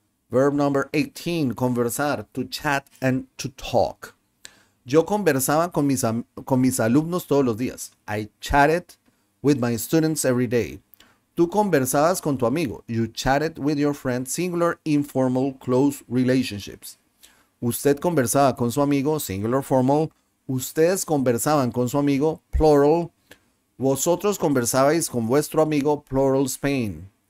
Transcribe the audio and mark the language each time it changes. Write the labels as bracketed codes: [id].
[en] Verb number 18, conversar, to chat and to talk. [es] Yo conversaba con mis alumnos todos los días. [en] I chatted with my students every day. [es] Tú conversabas con tu amigo. [en] You chatted with your friend, singular, informal, close relationships. [es] Usted conversaba con su amigo, [en] singular, formal. [es] Ustedes conversaban con su amigo, plural. Vosotros conversabais con vuestro amigo, plural Spain.